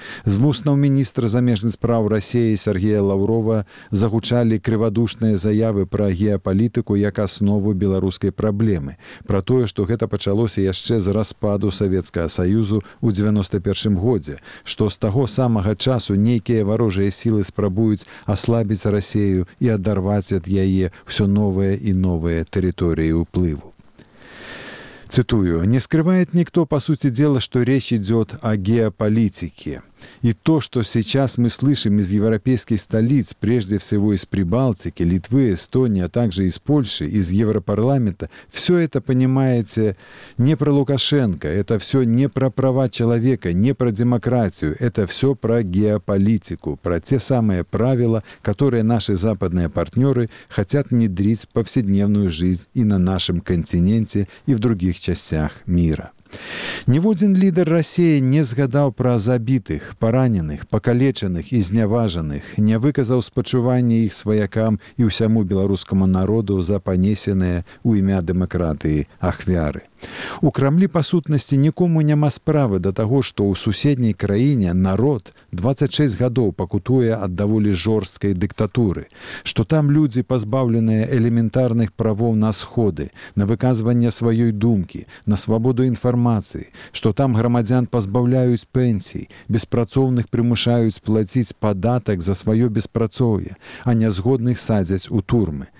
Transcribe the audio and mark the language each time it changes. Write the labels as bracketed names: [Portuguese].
[Belarusian] З вуснаў міністра замежных справ Расіі Сергія Лаўрова загучалі крывадушныя заявы пра геапалітыку як аснову беларускай праблемы, пра тое, што гэта пачалося яшчэ з распаду Савецкага Саюзу ў 91-м годзе, што з таго самага часу нейкія варожыя сілы спрабуюць аслабіць Расію і адарваць ад яе ўсё новыя і новыя тэрыторыі ўплыву. [Russian] Цитую, «Не скрывает никто, по сути дела, что речь идет о геополитике. И то, что сейчас мы слышим из европейских столиц, прежде всего из Прибалтики, Литвы, Эстонии, а также из Польши, из Европарламента, все это, понимаете, не про Лукашенко, это все не про права человека, не про демократию, это все про геополитику, про те самые правила, которые наши западные партнеры хотят внедрить в повседневную жизнь и на нашем континенте, и в других частях мира». [Belarusian] Ніводзін лідар Расіі не згадаў пра забітых, параненых, пакалечаных і зняважаных, не выказаў спачуванні іх сваякам і ўсяму беларускаму народу за панесеныя ў імя дэмакратыі ахвяры. У Крамлі, па сутнасці, нікому няма справы да таго, што ў суседняй краіне народ 26 гадоў пакутуе ад даволі жорсткай дыктатуры, што там людзі пазбаўленыя элементарных правоў на сходы, на выказванне сваёй думкі, на свабоду інфармацыі, што там грамадзян пазбаўляюць пенсій, беспрацоўных прымушаюць плаціць падатак за сваё беспрацоўе, а нязгодных садзяць у турмы.